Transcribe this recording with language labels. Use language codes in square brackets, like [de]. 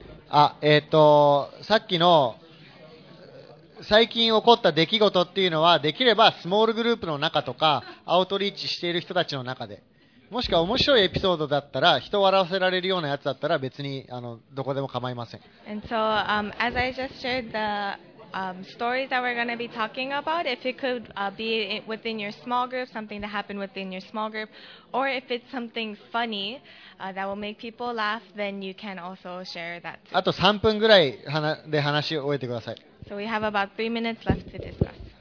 [ja] さっきの最近起こった出来事っていうのはできればスモールグループの中とかアウトリーチしている人たちの中で、もしくは面白いエピソードだったら、人を笑わせられるようなやつだったら別にどこでも構いません。 [en] And so, as I just shared the, stories that we're going to be talking about, if it could, be within your small group, something that happened within your small group, or if it's something funny, that will make people laugh, then you can also share that too. [ja] あと3分ぐらいで話を終えてください。 [en] So we have about 3 minutes left to discuss.